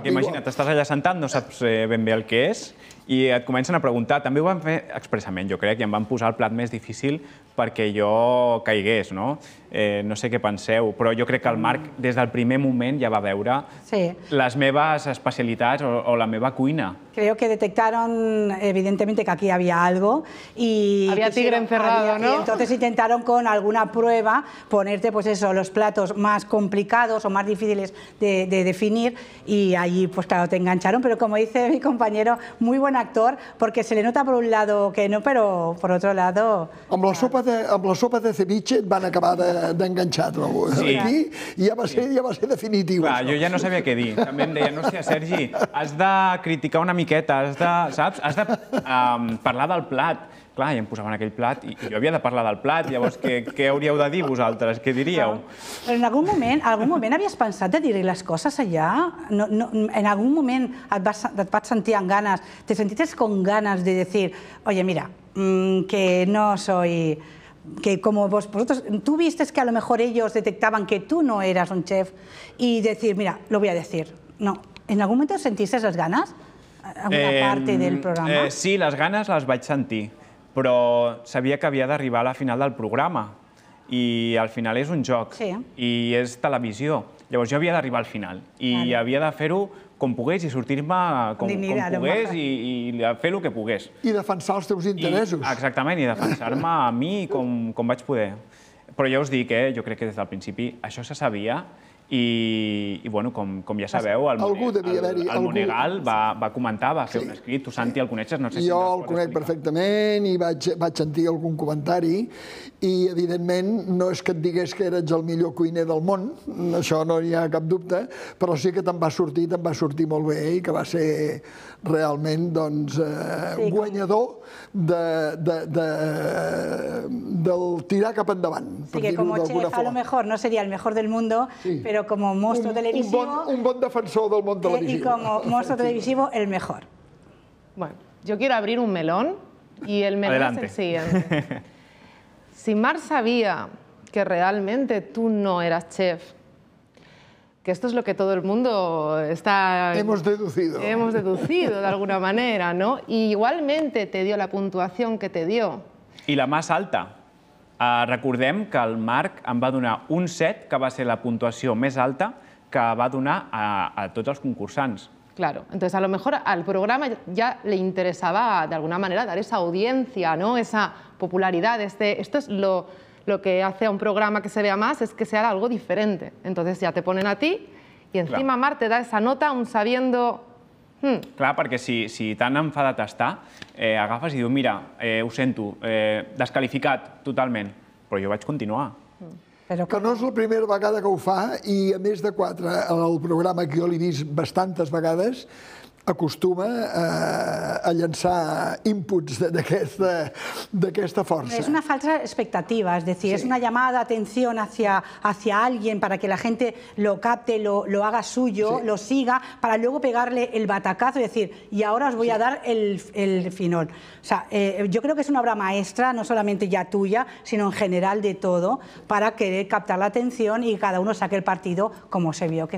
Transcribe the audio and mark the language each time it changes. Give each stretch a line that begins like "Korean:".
Catalan: Perquè imagina't, estàs allà sentat, no saps ben bé el que és, i et comencen a preguntar. També ho van fer expressament, jo crec, i em van posar el plat més difícil perquè jo caigués, no? No sé què penseu, però jo crec que el Marc des del primer moment ja va veure les meves especialitats o la meva cuina.
Spanish: Creo que detectaron evidentemente que aquí había algo y... Había tigre encerrado, ¿no? Y entonces intentaron con alguna prueba ponerte, pues eso, los platos más complicados o más difíciles de definir, y allí, pues claro, te engancharon, pero como dice mi compañero, muy buen actor porque se le nota por un lado que no, pero por otro lado...
Catalan: Amb la sopa de, amb la sopa de ceviche et van acabar d'enganxar, trobo. Sí. Aquí ja va ser, ja va ser definitiu. Clar, jo ja no sabia què dir. També em deia, no sé, Sergi, has de criticar una miqueta, has de, saps? Has de parlar del plat. Clar, i em posaven aquell plat, i jo havia de parlar del plat, llavors què hauríeu de dir vosaltres, què diríeu? Però en algun moment havies pensat de dir-li les coses allà? No, no, en algun moment et vas sentir amb ganes,
Spanish: te sentites con ganes de dir, oye, mira, que no soy... que como vosotros, tú vistes que a lo mejor ellos detectaban que tú no eras un chef, y decir, mira, lo voy a decir. No, en algún momento sentiste las ganas, alguna parte del programa?
Catalan: Sí, les ganes les vaig sentir. Però sabia que havia d'arribar a la final del programa i al final és un joc sí. I és televisió. Llavors jo havia d'arribar al final i vale. Havia de fer-ho com pogués i sortir-me com pogués i fer el que pogués. I defensar els teus interessos. Exactament, i defensar-me a mi com vaig poder. Però ja us dic, jo crec que des del principi això se sabia i bueno, com ja sabeu, el Monegal va comentar, va fer sí. Un escrit, tu Santi el coneixes, no sé jo si... Jo el conec explicar. Perfectament i vaig sentir algun comentari i evidentment no és que et digués que eres el millor cuiner del món, això no hi ha cap dubte, però sí que te'n va sortir molt bé i que va ser realment doncs, sí, guanyador del tirar cap endavant.
Spanish: Sí, que
Catalan: com a
Spanish: chef a lo mejor no seria el mejor del mundo, sí. Pero como monstruo televisivo...
Catalan: Un bon defensor del món televisivo.
Spanish: Y como monstruo televisivo, el mejor. Bueno, yo quiero abrir un melón y el melón adelante. Es el siguiente. Si Marc sabía que realmente tú no eras chef, que esto es lo que todo el mundo está... Hemos deducido, de alguna manera, ¿no? Y igualmente te dio la puntuación que te dio. Y la más alta.
Catalan: Recordem que el Marc em va donar un 7, que va ser la puntuació més alta que va donar a tots els concursants.
Spanish: Claro, entonces a lo mejor al programa ya le interesaba de alguna manera dar esa audiencia, ¿no? Esa popularidad, esto es lo que hace a un programa que se vea más, es que sea algo diferente. Entonces ya te ponen a ti y encima claro. Marc te da esa nota aún sabiendo...
Catalan: Clar, perquè si tan enfadat està, agafes i dius, mira, ho sento, desqualificat totalment, però jo vaig continuar. Però... Que no és la primera vegada que ho fa i a més de quatre, el programa que jo l'he vist bastantes vegades, acostuma a llançar inputs d'aquesta força. És una falsa expectativa, és a dir,
Spanish: és una llamada d'atenció hacia alguien para que la gente lo capte, lo haga suyo, sí. Lo siga, para luego pegarle el batacazo y decir, y ahora os voy sí. A dar el final. O sea, yo creo que es una obra maestra, no solamente ya tuya, sino en general de todo, para querer captar la atención y cada uno saque el partido como se vio que